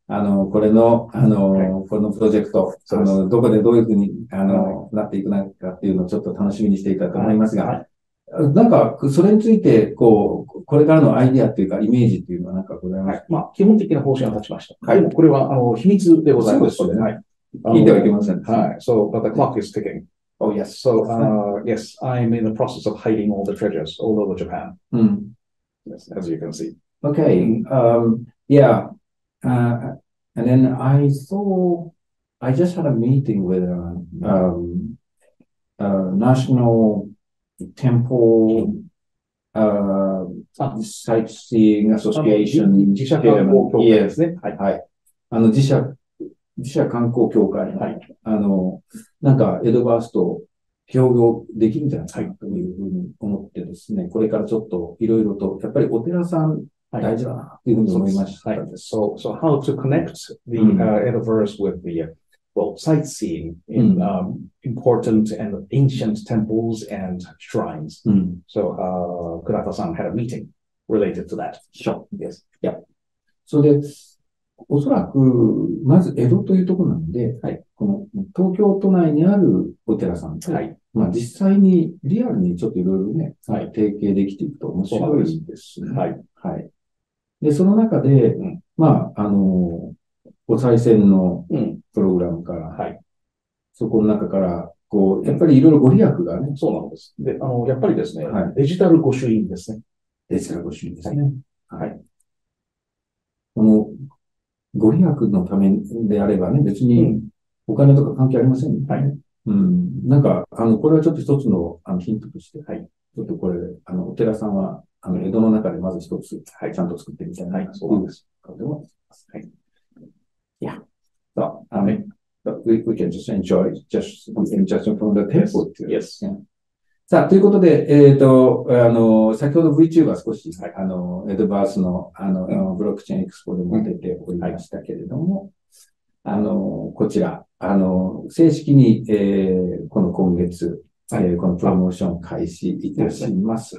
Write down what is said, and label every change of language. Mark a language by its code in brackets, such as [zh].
[ja] これの、このプロジェクト、はい、どこでどういうふうに、はい、なっていくのかっていうのをちょっと楽しみにしていたと思いますが、はいはい、なんか、それについて、こう、これからのアイディアっていうか、イメージっていうのはなんかございますか？はい。まあ、基本的な方針は立ちました。はい。でも、これは、秘密でございます。そうですね。はい。聞いてはいけません。 [en] はい。So, but the clock is ticking. Oh, yes. So, yes, I'm in the process of hiding all the treasures all over Japan. [ja] うん。 [en] Yes, as you can see. Okay. Yeah. And then I thought, I just had a meeting with a, national,Temple, Sightseeing Association. [ja] 自社観光協会ですね。はい。はい。自社観光協会。はい。なんか、エドバースと協業できるんじゃないかというふうに思ってですね、はい、これからちょっといろいろと、やっぱりお寺さん大事だなというふうに思いました。はい。 [en] はい、so, so how to connect the、Ediverse with the,Well, sightseeing in、important and ancient temples and shrines.、So, Kurata-san had a meeting related to that. Sure. Yes. Yeah. [ja] So, で、おそらく、まず江戸というところなので、はい、この東京都内にあるお寺さんと、はい、まあ、実際にリアルにちょっといろいろね、はい、提携できていくと面白いんですね。はい。はい。で、その中で、まあ、お賽銭のプログラムから、うん、はい、そこの中から、こう、やっぱりいろいろご利益がね、うん。そうなんです。で、やっぱりですね、はい、デジタル御朱印ですね。デジタル御朱印ですね。はい。はい、この、ご利益のためであればね、別にお金とか関係ありませんね。はい。うん。なんか、これはちょっと一つ の, ヒントとして、はい。ちょっとこれ、お寺さんは、江戸の中でまず一つ、はい、ちゃんと作ってみたいな。はい、そうなんです。感じもあります。はい。 [en] Yeah. So, we can just enjoy just from the temple. Yes. Yes. [ja] さあ、ということで、先ほど VTuber 少し、はい、エドバースの、ブロックチェーンエクスポでも出ておりましたけれども、はい、こちら、正式に、この今月、はい、このプロモーション開始いたします。